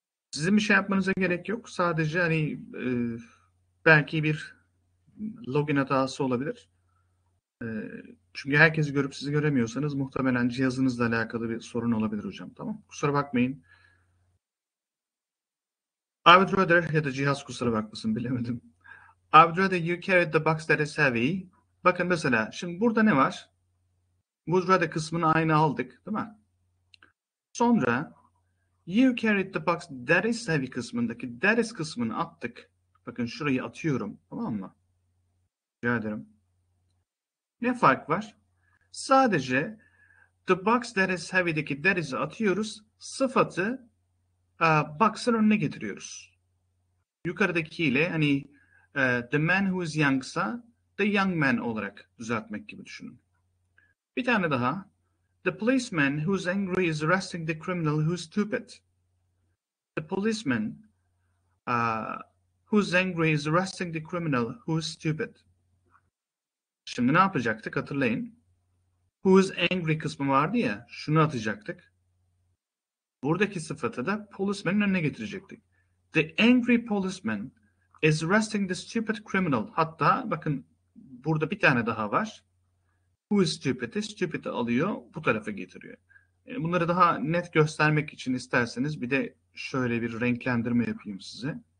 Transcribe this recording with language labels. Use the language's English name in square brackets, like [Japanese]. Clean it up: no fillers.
[Turkish] Sizin bir şey yapmanıza gerek yok. Sadece hani belki bir login hatası olabilir. Çünkü herkesi görüp sizi göremiyorsanız muhtemelen cihazınızla alakalı bir sorun olabilir hocam. Tamam. Kusura bakmayın. [English] I would rather, [Turkish] ya da cihaz kusura bakmasın, bilemedim. [English] I would rather you carried the box that is heavy. [Turkish] Bakın mesela şimdi burada ne var? [English] Would rather [Turkish] kısmını aynı aldık, değil mi? Sonra [English] you carried the box that is heavy [Turkish] kısmındaki [English] that is [Turkish] kısmını attık. Bakın şurayı atıyorum, tamam mı? Rica ederim. Ne fark var? Sadece [English] the box that is heavy'deki that is'i [Turkish] atıyoruz. Sıfatı box'ın önüne getiriyoruz. Yukarıdakiyle hani [English] the man who is young'sa the young man [Turkish] olarak düzeltmek gibi düşünün. Bir tane daha. [English] The policeman who's angry is arresting the criminal who's stupid. The policeman who's angry is arresting the criminal who's stupid. [Turkish] Şimdi ne yapacaktık hatırlayın. [English] Who's angry [Turkish] kısmı vardı ya, şunu atacaktık. Buradaki sıfatı da policeman'ın önüne getirecektik. [English] The angry policeman is arresting the stupid criminal. [Turkish] Hatta bakın burada bir tane daha var. [English] Who is stupid? [Turkish] Stupid'i alıyor, bu tarafa getiriyor. Bunları daha net göstermek için isterseniz bir de şöyle bir renklendirme yapayım size.